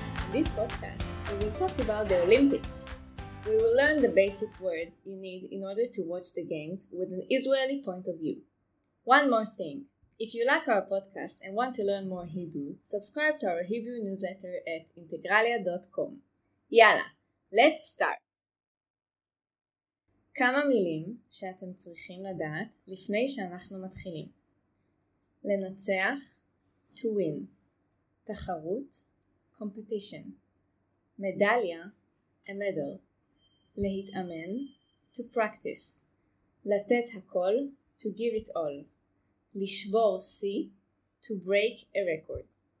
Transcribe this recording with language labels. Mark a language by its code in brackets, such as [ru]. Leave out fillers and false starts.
[en] In this podcast, we will talk about the Olympics. We will learn the basic words you need in order to watch the games with an Israeli point of view. One more thing. If you like our podcast and want to learn more Hebrew, subscribe to our Hebrew newsletter at integralia.com. יאללה, let's start! [he] כמה מילים שאתם צריכים לדעת לפני שאנחנו מתחילים. [en] לנצח, to win. תחרות, competition. מדליה, a medal. להתאמן, to practice. [he] לתת הכל, [en] to give it all. [he] לשבור C, [en] to break a record.